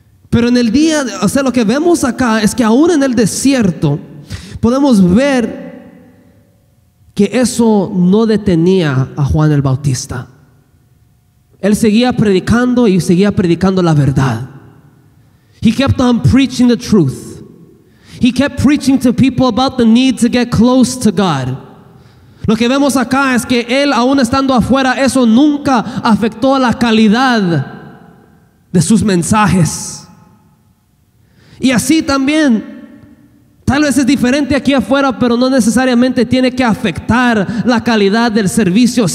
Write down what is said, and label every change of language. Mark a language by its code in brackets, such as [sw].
[es] Pero en el día, o sea, lo que vemos acá es que aún en el desierto podemos ver que eso no detenía a Juan el Bautista. Él seguía predicando y seguía predicando la verdad. [en] He kept on preaching the truth. He kept preaching to people about the need to get close to God. [es] Lo que vemos acá es que él, aún estando afuera, eso nunca afectó a la calidad de sus mensajes. Y así también, tal vez es diferente aquí afuera, pero no necesariamente tiene que afectar la calidad del servicio.